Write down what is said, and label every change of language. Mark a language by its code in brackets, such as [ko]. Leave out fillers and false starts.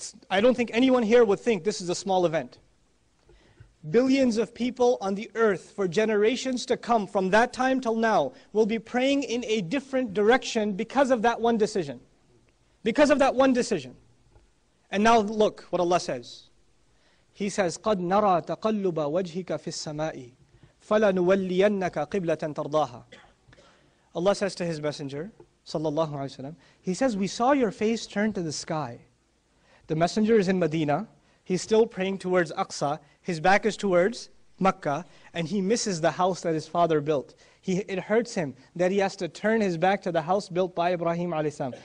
[en] I don't think anyone here would think this is a small event. Billions of people on the earth for generations to come from that time till now will be praying in a different direction because of that one decision. Because of that one decision. And now look what Allah says. He says, [ar] قَدْ نَرَى تَقَلُّبَ وَجْهِكَ فِي السَّمَاءِ فَلَنُوَلِّيَنَّكَ قِبْلَةً تَرْضَاهَا. [en] Allah says to His Messenger, sallallahu alayhi wa sallam, He says, we saw your face turn to the sky. The Messenger is in Medina. He's still praying towards Aqsa. His back is towards Mecca, and he misses the house that his father built. It hurts him that he has to turn his back to the house built by Ibrahim alayhi salam.